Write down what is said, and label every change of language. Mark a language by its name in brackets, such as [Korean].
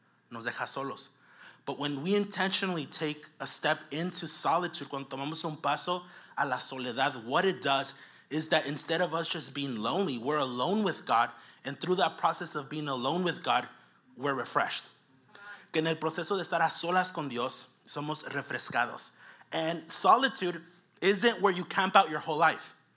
[Spanish] Nos deja solos. [English] But when we intentionally take a step into solitude, [Spanish] cuando tomamos un paso a la soledad, [English] what it does is that instead of us just being lonely, we're alone with God. And through that process of being alone with God, we're refreshed. [Spanish] Que en el proceso de estar a solas con Dios, somos refrescados. [English] And solitude isn't where you camp out your whole life.